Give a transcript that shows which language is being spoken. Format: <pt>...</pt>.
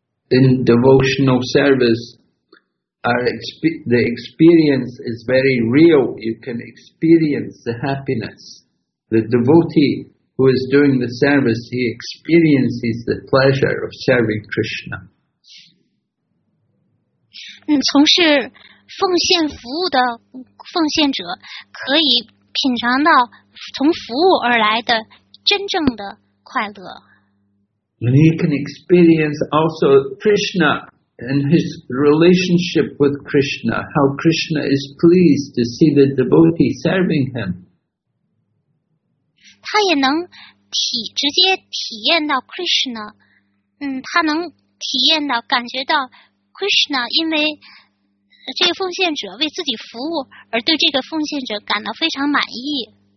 <en>In devotional service, the experience is very real. You can experience the happiness. The devotee who is doing the service, he experiences the pleasure of serving Krishna.</en> <zh>从事奉献服务的奉献者可以品尝到从服务而来的真正的快乐。</zh> <en>And you can experience also Krishna and his relationship with Krishna, how Krishna is pleased to see the devotee serving him.</en> <zh>他也能直接体验到 Krishna, 他能体验到感觉到Krishna 因为这个奉献者为自己服务而对这个奉献者感到非常满意。</zh>